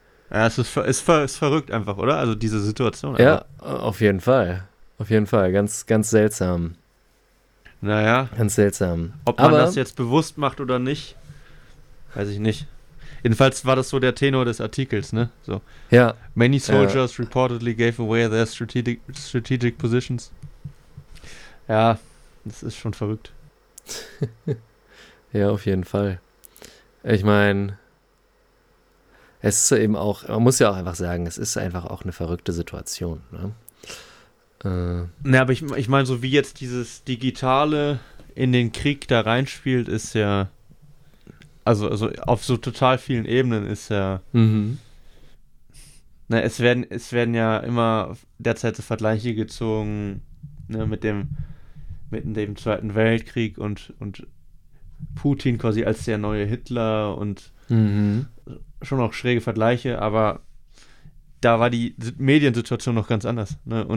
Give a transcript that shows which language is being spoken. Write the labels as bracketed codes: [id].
[de] Ja, es ist verrückt einfach, oder? Also diese Situation. Ja, auf jeden Fall. Auf jeden Fall. Ganz, ganz seltsam. Naja. Ganz seltsam. Ob man das jetzt bewusst macht oder nicht, weiß ich nicht. Jedenfalls war das so der Tenor des Artikels, ne? So. Ja. [en] Many soldiers reportedly gave away their strategic positions. [de] Ja, das ist schon verrückt. Ja, auf jeden Fall. Ich meine, es ist eben auch, man muss ja auch einfach sagen, es ist einfach auch eine verrückte Situation. Ne, aber ich meine, so wie jetzt dieses Digitale in den Krieg da reinspielt, ist ja, also auf so total vielen Ebenen ist ja, es werden ja immer derzeit so Vergleiche gezogen, ne, mit dem Zweiten Weltkrieg und Putin quasi als der neue Hitler und schon auch schräge Vergleiche, aber da war die Mediensituation noch ganz anders. Ne?